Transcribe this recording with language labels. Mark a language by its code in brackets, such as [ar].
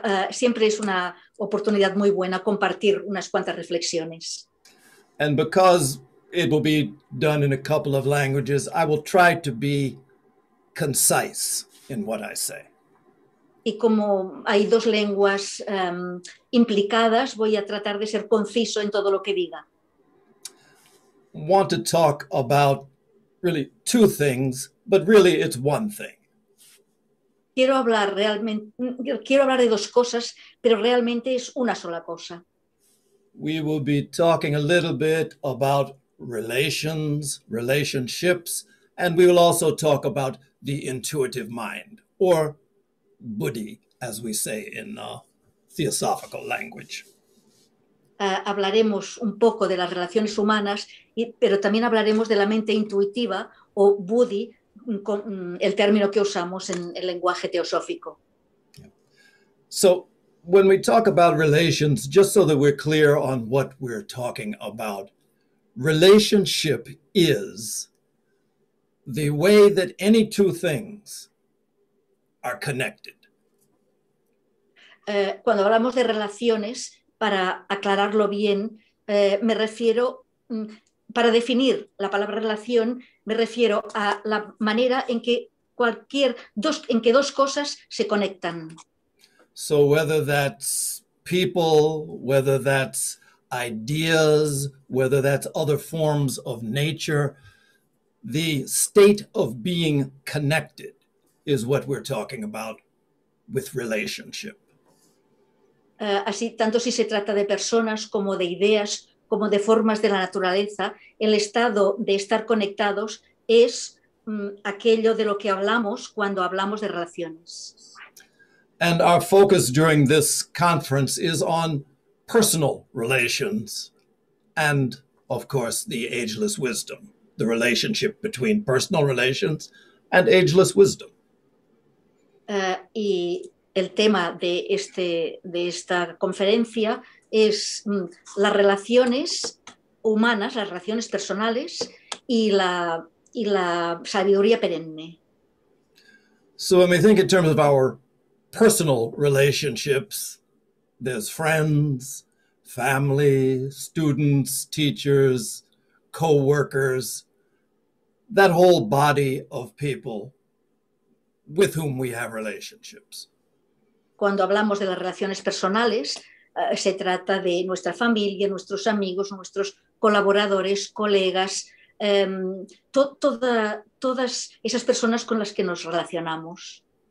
[es] Siempre es una oportunidad muy buena compartir unas cuantas reflexiones. [en] And because it will be done in a couple of languages, I will try to be concise in what I say. [es] Y como hay dos lenguas implicadas, voy a tratar de ser conciso en todo lo que diga. [en] Want to talk about really two things, but really it's one thing. [es] Quiero hablar de dos cosas, pero realmente es una sola cosa. [en] We will be talking a little bit about relations, relationships, and we will also talk about the intuitive mind, or buddhi, as we say in theosophical language. [es] Hablaremos un poco de las relaciones humanas, pero también hablaremos de la mente intuitiva, o buddhi, el término que usamos en el lenguaje teosófico. [en] Yeah. So, when we talk about relations, just so that we're clear on what we're talking about, relationship is the way that any two things are connected. [es] Cuando hablamos de relaciones, para aclararlo bien, me refiero, para definir la palabra relación, me refiero a la manera en que dos cosas se conectan. [en] So whether that's people, whether that's ideas, whether that's other forms of nature, the state of being connected is what we're talking about with relationship. [es] Así, tanto si se trata de personas como de ideas, como de formas de la naturaleza, el estado de estar conectados es aquello de lo que hablamos cuando hablamos de relaciones. [en] And our focus during this conference is on personal relations, and of course the ageless wisdom, the relationship between personal relations and ageless wisdom. [es] Y el tema de esta conferencia es las relaciones humanas, las relaciones personales y la sabiduría perenne. [en] So when we think in terms of our personal relationships, there's friends, family, students, teachers, co-workers, that whole body of people with whom we have relationships. [es] Cuando hablamos de las relaciones personales, se trata de nuestra familia, nuestros amigos, nuestros colaboradores, colegas, todas esas personas con las que nos relacionamos.